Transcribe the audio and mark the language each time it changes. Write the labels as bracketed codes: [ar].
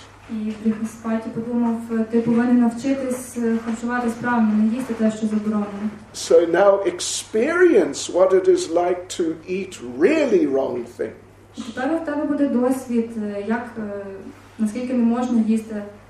[uk] І Брихаспаті подумав, ти повинен навчитись харчуватись правильно, не їсти те, що заборонено. [en] So now experience what it is like to eat really wrong things. [uk] Тепер в тебе буде досвід, як наскільки не можна їсти.